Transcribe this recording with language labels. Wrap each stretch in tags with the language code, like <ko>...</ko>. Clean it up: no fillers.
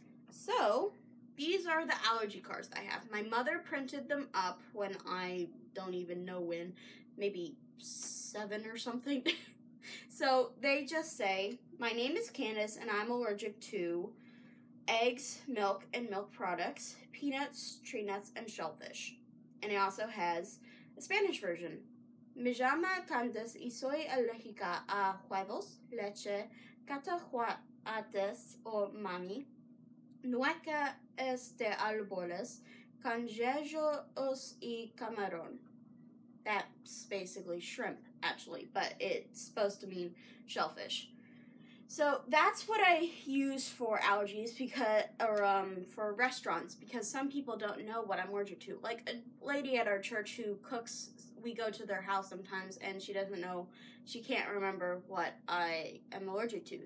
<en>So these are the allergy cards that I have. My mother printed them up when I don't even know when, maybe 7 or something. So they just say, my name is Candace and I'm allergic to eggs, milk, and milk products, peanuts, tree nuts, and shellfish. And it also has a Spanish version.</en> <es>Me llamo Candace y soy alérgica a huevos, leche, cacahuates o mami, nueces de árboles, conejos y camarón.</es> <en>That's basically shrimp, actually, but it's supposed to mean shellfish. So that's what I use for allergies for restaurants, because some people don't know what I'm allergic to. Like a lady at our church who cooks, we go to their house sometimes, and she doesn't know, she can't remember what I am allergic to.</en>